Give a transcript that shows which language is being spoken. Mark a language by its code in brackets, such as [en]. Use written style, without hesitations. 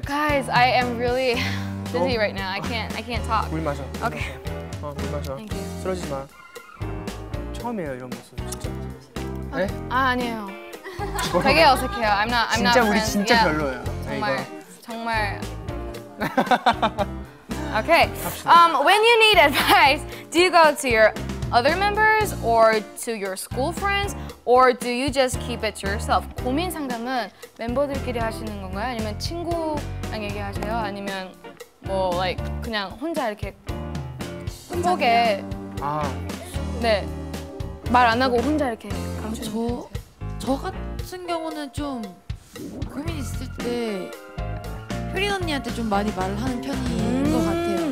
[en] Guys, I am really busy right now. I can't talk. [ko] 물 마셔. [en] Okay. [ko] 물 마셔. [en] Thank you. [ko] 쓰러지 마. 처음이에요 이런 모습 진짜. 네? 아 아니에요. 되게 어색해요. [en] I'm not. [ko] 진짜 우리 진짜 별로예요. 정말 정말. Okay. [en] When you need advice, do you go to your other members or to your school friends or do you just keep it to yourself? [ko] 고민 상담은 멤버들끼리 하시는 건가요? 아니면 친구랑 얘기하세요? 아니면 뭐 like 그냥 혼자 이렇게 속에 네 말 안 하고 혼자 이렇게 강추. 저 같은 경우는 좀 고민 있을 때 효린 언니한테 좀 많이 말을 하는 편인 것 같아요.